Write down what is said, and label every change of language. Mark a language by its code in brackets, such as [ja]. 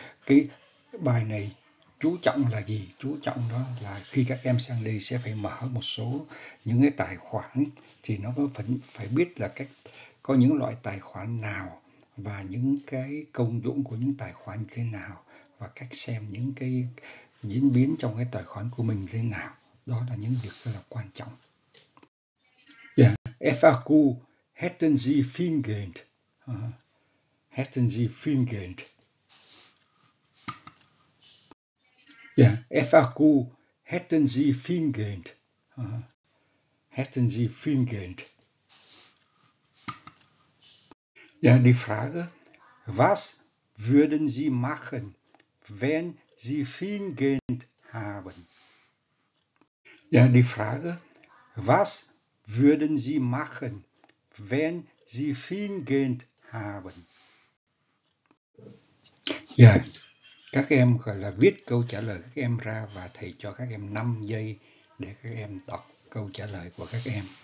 [vi] Cái bài này chú trọng là gì? Chú trọng đó là khi các em sang đây sẽ phải mở một số những cái tài khoản, thì nó có phải biết là cách có những loại tài khoản nào và những cái công dụng của những tài khoản thế nào và cách xem những cái diễn biến trong cái tài khoản của mình thế nào. Đó là những việc rất là quan trọng. [de] FAQ, hätten Sie viel Geld? FAQ, hätten Sie viel Geld? Hätten Sie viel Geld? Ja, die Frage, was würden Sie machen, wenn Sie viel Geld haben? Ja, die Frage, was würden Sie machen, wenn Sie viel Geld haben? Ja. [vi] Các em gọi là viết câu trả lời các em ra và thầy cho các em 5 giây để các em đọc câu trả lời của các em.